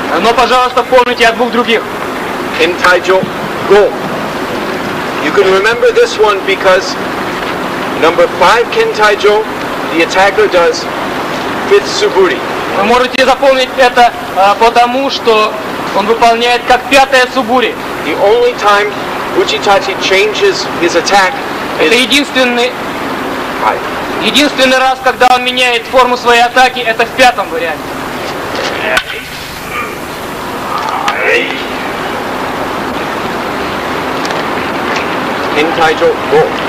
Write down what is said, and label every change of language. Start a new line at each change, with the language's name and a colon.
Russian: Но, пожалуйста, помните о двух других. Кентайджо ГО.
English: You can remember this one because number 5 Кентайджо, the attacker does fifth Suburi.
Russian: Вы можете запомнить это потому, что он выполняет как пятое Субури.
English: The only time Учитати changes his attack
Russian: Это единственный раз, когда он меняет форму своей атаки, это в пятом варианте. Кентайджо ГО.